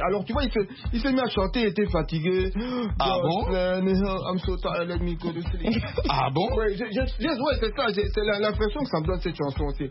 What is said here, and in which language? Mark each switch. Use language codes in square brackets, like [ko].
[fr] Alors, tu vois, il s'est mis à chanter, il était fatigué. Ah bon? [en] I'm so tired, let me go to sleep. [fr] Ah bon? [en] Just [fr] ouais, c'est ça, c'est l'impression que ça me donne cette chanson.